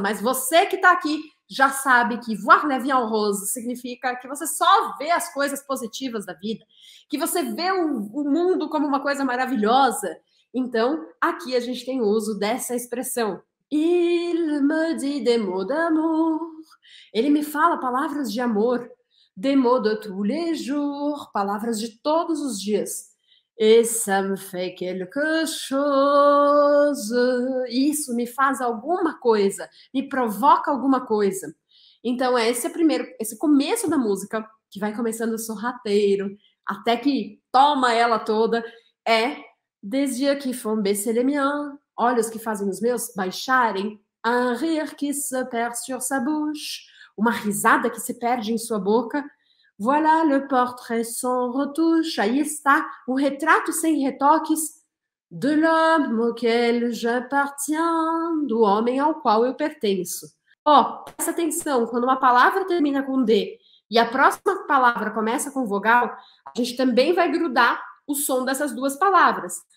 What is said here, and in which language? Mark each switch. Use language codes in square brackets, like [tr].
[pt] Mas você que está aqui já sabe que [fr] voir la vie en rose [pt] significa que você só vê as coisas positivas da vida. Que você vê o mundo como uma coisa maravilhosa. Então, aqui a gente tem o uso dessa expressão. [fr] Il me dit des mots d'amour. [pt] Ele me fala palavras de amor. [fr] Des mots de tous les jours, [pt] palavras de todos os dias. [fr] Et ça me fait quelque chose. [pt] Isso me faz alguma coisa, me provoca alguma coisa. Então, esse é o primeiro, esse começo da música, que vai começando sorrateiro, até que toma ela toda, é [fr] Des yeux qui font baisser les miens, [pt] olhos que fazem os meus baixarem, [fr] un rire qui se perd sur sa bouche, [pt] uma risada que se perde em sua boca. [fr] Voilà le portrait sans retouche. [pt] Aí está o retrato sem retoques [fr] de l'homme auquel j'appartiens, [pt] do homem ao qual eu pertenço. Ó, presta atenção, quando uma palavra termina com D e a próxima palavra começa com vogal, a gente também vai grudar o som dessas duas palavras.